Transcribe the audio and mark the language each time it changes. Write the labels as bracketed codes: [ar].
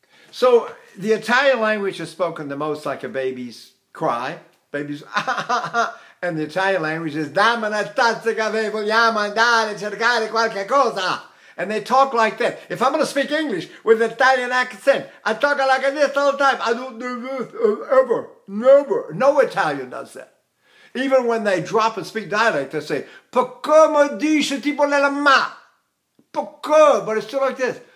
[en] So the Italian language is spoken the most like a baby's cry, baby's ah, ah, ah, ah. And the Italian language is [it] dammi una tazza di caffè, vogliamo andare a cercare qualche cosa. [en] And they talk like that. If I'm going to speak English with an Italian accent, I talk like this all the time. I don't do this ever, never. No Italian does that. Even when they drop and speak dialect, they say, [it] perché mi dici tipo la ma? Perché? [en] But it's still like this.